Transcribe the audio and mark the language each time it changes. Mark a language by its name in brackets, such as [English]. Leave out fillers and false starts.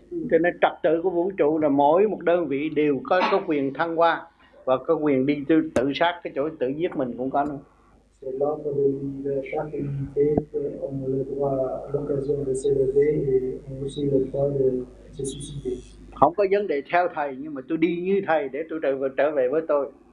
[Vietnamese] Cho nên trật tự của vũ trụ là mỗi một đơn vị đều có quyền thăng hoa và có quyền đi tự sát, cái chỗ tự giết mình cũng có luôn. [French] C'est C'est l'ordre de l'univers. Chaque unité a le droit, l'occasion de s'élever et aussi le droit de se suicider. [Vietnamese] Không có vấn đề theo thầy, nhưng mà tôi đi như thầy để tôi trở về với tôi.